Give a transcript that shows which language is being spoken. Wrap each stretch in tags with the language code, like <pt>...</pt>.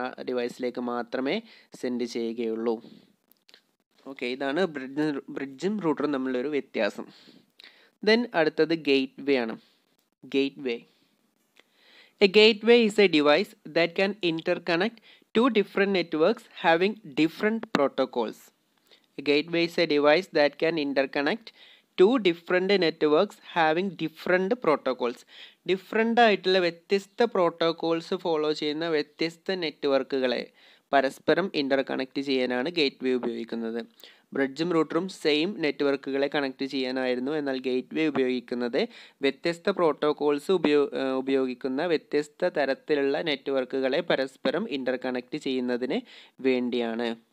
<ml>ആ ഡിവൈസിലേക്ക് മാത്രമേ സെൻഡ് ചെയ്യുകയുള്ളൂ. ഓക്കെ, ഇതാണ് ബ്രിഡ്ജും റൂട്ടറും തമ്മിലുള്ള ഒരു വ്യത്യാസം.</ml> <en>then</en> <ml>അടുത്തത് ഗേറ്റ്വേ ആണ്.</ml> <en>Gateway, a gateway is a device that can interconnect two different networks having different protocols. A gateway is a device that can interconnect two different networks having different protocols.</en> <ml>Different ആയിട്ടുള്ള വ്യത്യസ്ത protocols follow ചെയ്യുന്ന വ്യത്യസ്ത നെറ്റ്വർക്കുകളെ പരസ്പരം ഇൻ്റർകണക്റ്റ് ചെയ്യാനാണ് gateway ഉപയോഗിക്കുന്നത്. ബ്രിഡ്ജും റൂട്ടറും same നെറ്റ്വർക്കുകളെ connect ചെയ്യാനായിരുന്നു. എന്നാൽ gateway ഉപയോഗിക്കുന്നത് വ്യത്യസ്ത പ്രോട്ടോകോൾസ് ഉപയോഗിക്കുന്ന വ്യത്യസ്ത തരത്തിലുള്ള നെറ്റ്വർക്കുകളെ പരസ്പരം ഇൻ്റർകണക്റ്റ് ചെയ്യുന്നതിന് വേണ്ടിയാണ്.</ml>